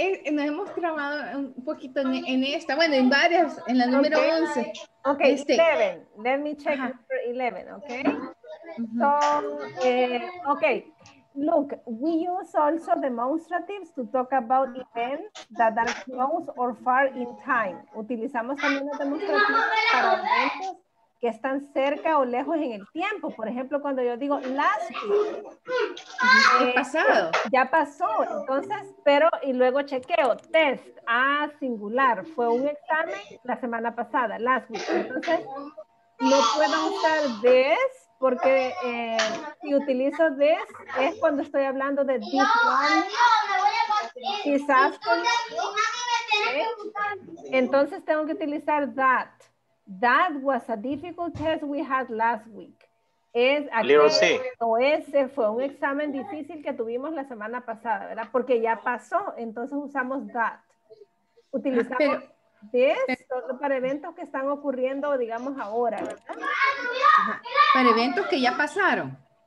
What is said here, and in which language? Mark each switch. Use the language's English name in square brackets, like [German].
[Spanish] Nos hemos trabado un poquito en esta. Bueno, en varias, en la número 11. [English] Ok, 11. Let me check number 11, okay? Mm-hmm. So, okay. Look, we use also demonstratives to talk about events that are close or far in time. [Spanish] Utilizamos también los demostrativos para eventos que están cerca o lejos en el tiempo. Por ejemplo, cuando yo digo last week. ¿Qué pasado? Ya pasó. Entonces, pero y luego chequeo. Test. Singular. Fue un examen la semana pasada. [English] Last week. [Spanish] Entonces, no puedo usar this. Porque si utilizo this, es cuando estoy hablando de this one. Quizás. Entonces tengo que utilizar that. [English] That was a difficult test we had last week. [Spanish] Ese fue un examen difícil que tuvimos la semana pasada, ¿verdad? Porque ya pasó, entonces usamos that. Utilizamos todo para eventos que están ocurriendo, digamos, ahora, ¿verdad? Para eventos que ya pasaron.